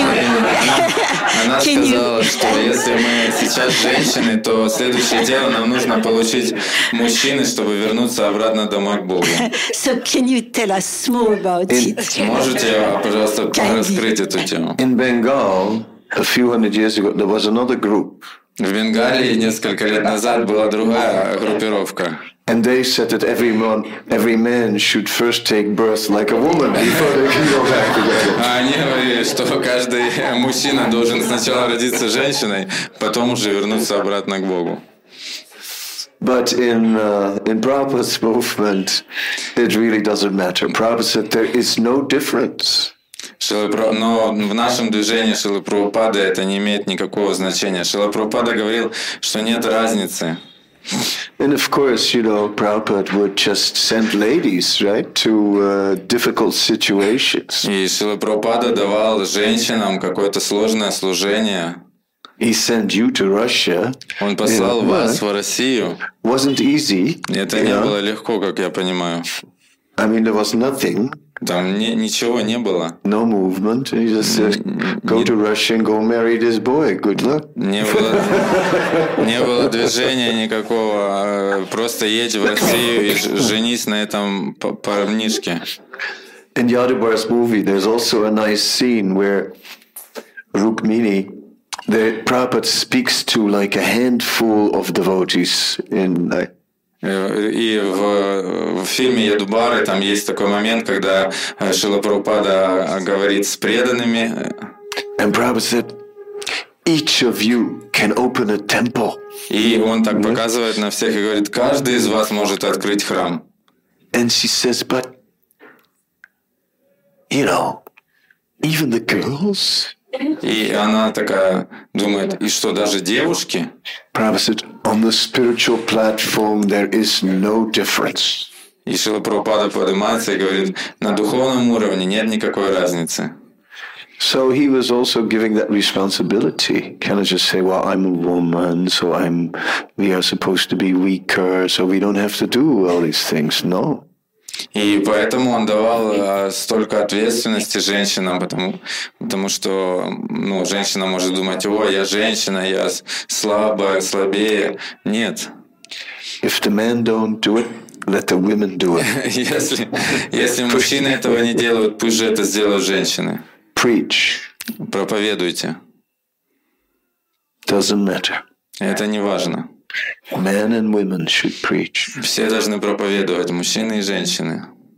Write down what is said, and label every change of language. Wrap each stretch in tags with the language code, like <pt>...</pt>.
<ru>Она сказала, что если мы сейчас женщины, то следующее дело нам нужно получить мужчины, чтобы вернуться обратно домой к Богу.</ru> <en>So can you tell us more about it?</en> <ru>Можете, пожалуйста, раскрыть эту тему?</ru> <en>In Bengal, a few hundred years ago, there was another group.</en> <ru>В Бенгалии несколько лет назад была другая группировка.</ru> <en>And they said that every man should first take birth like a woman before they can go back together.</en> <ru>Они говорили, что каждый мужчина должен сначала родиться женщиной, потом уже вернуться обратно к Богу.</ru> <en>But in Prabhupada's movement, it really doesn't matter. Prabhupada said there is no difference.</en> <ru>Но в нашем движении Шрилы Прабхупады это не имеет никакого значения. Шрила Прабхупада говорил, что нет разницы.</ru> <en>And of course, you know, Prabhupada would just send ladies, right, to difficult situations.</en> <ru>И Шрила Прабхупада давал женщинам какое-то сложное служение.</ru> <en>He sent you to Russia.</en> <ru>Он послал вас в Россию.</ru> <en>Wasn't easy.</en> <ru>Это не было легко, как я понимаю.</ru> <en>I mean, there was nothing.</en> <ru>Там ничего не было.</ru> <en>No movement. He just said, go to Russia and go marry this boy. Good luck.</en> <ru>Не было движения никакого. Просто едь в Россию и женись на этом парнишке.</ru> <en>In Yadubar's movie, there's also a nice scene where Rukmini, the Prabhupada speaks to like a handful of devotees in</en> <ru>И в фильме «Ядубары» там есть такой момент, когда Шрила Прабхупада говорит с преданными.</ru> <en>And Prabhupada said, each of you can open a temple.</en> <ru>И он так показывает на всех и говорит, каждый из вас может открыть храм.</ru> <en>And she says, but, you know, even the girls.</en> <ru>И она такая думает, и что, даже девушки?</ru> <en>Prabhupada said, on the spiritual platform there is no difference.</en> <ru>И Шрила Прабхупада поднимается и говорит, на духовном уровне нет никакой разницы.</ru> <en>So he was also giving that responsibility. Can I just say, well, I'm a woman, so we are supposed to be weaker, so we don't have to do all these things, no.</en> <ru>И поэтому он давал столько ответственности женщинам, потому что, ну, женщина может думать, о, я женщина, я слабее. Нет.</ru> <en>If the men don't do it, let the women do it.</en> <ru>Если мужчины этого не делают, пусть же это сделают женщины.</ru> <en>Preach.</en> <ru>Проповедуйте.</ru> <en>Doesn't matter.</en> <ru>Это не важно.</ru> <en>Men and women should preach.</en> <ru>Все должны проповедовать, мужчины и женщины.</ru>